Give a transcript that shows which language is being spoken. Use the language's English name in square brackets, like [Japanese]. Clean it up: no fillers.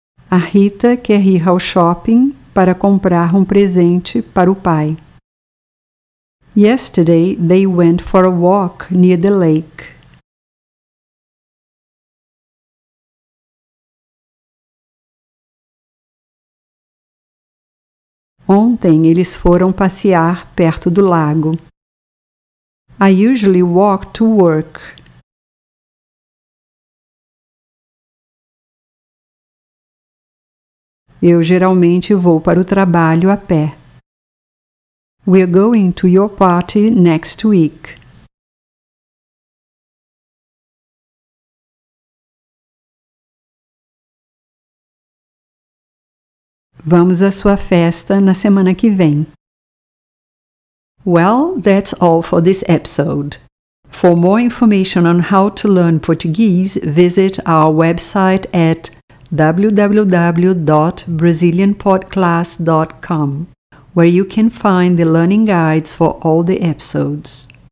[Portuguese] A Rita quer ir ao shopping para comprar um presente para o pai. [English] Yesterday they went for a walk near the lake. [Portuguese] Ontem eles foram passear perto do lago. [English] I usually walk to work. [Portuguese] Eu geralmente vou para o trabalho a pé. [English] We're going to your party next week. [Portuguese] Vamos à sua festa na semana que vem. [English] Well, that's all for this episode. For more information on how to learn Portuguese, visit our website at www.brazilianpodclass.com, where you can find the learning guides for all the episodes.